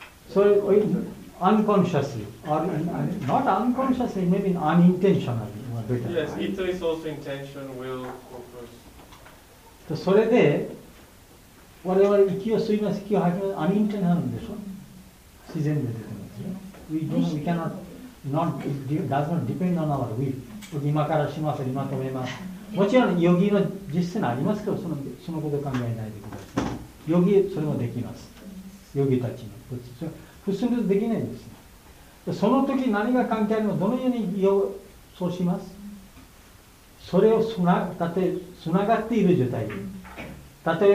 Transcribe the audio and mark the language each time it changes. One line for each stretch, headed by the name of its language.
Japanese: それ、
English: unconsciously, or not unconsciously, maybe unintentionally. Yes, 意図 is also intention, will, purpose.
Japanese: それで、我々息を吸います、息を吐きます、アニンテンションなんでしょ、自然で出てますよ。
English: We don't, we cannot, not, it does not depend on our will.
Japanese: 今からします、今止めます。もちろん、ヨギの実践ありますけど、そのことを考えないでください。ヨギ、それもできます。ヨギたちの。普通にできないんです。その時何が関係あるの、どのようにそうします、それをつながっている状態で。